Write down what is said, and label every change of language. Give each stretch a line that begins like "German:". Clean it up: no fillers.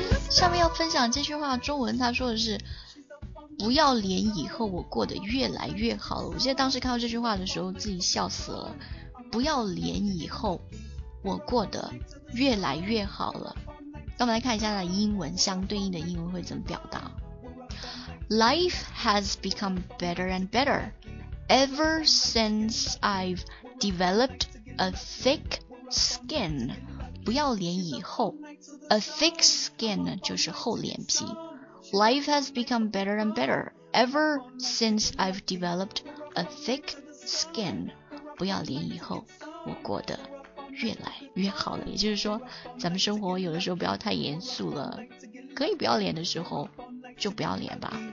Chinese: 下面要分享这句话中文，他说的是不要连以后我过得越来越好了。我记得当时看到这句话的时候自己笑死了，不要连以后我过得越来越好了。那我们来看一下英文相对应的英文会怎么表达。
English: Life has become better and better ever since I've developed a thick skin.
Chinese: 不要脸以后 ，
English: a thick skin
Chinese: 就是厚脸皮。
English: Life has become better and better ever since I've developed a thick skin.
Chinese: 不要脸以后，我过得越来越好了。也就是说，咱们生活有的时候不要太严肃了，可以不要脸的时候就不要脸吧。